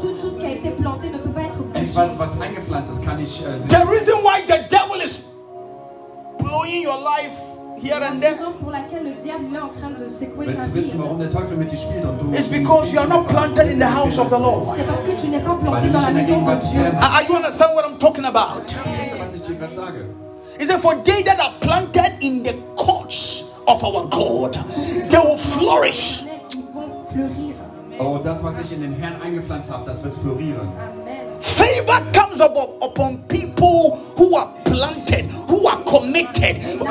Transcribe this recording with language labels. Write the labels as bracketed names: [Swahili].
[English] The reason why the devil is blowing your life here and there is because you are not planted in the house of the Lord. Are you understand what I'm talking about? He said, for they that are planted in the courts of our God, they will flourish. [German] Oh, das, was ich in den Herrn eingepflanzt habe, das wird florieren. [English] Favor comes upon people who are planted, who are committed.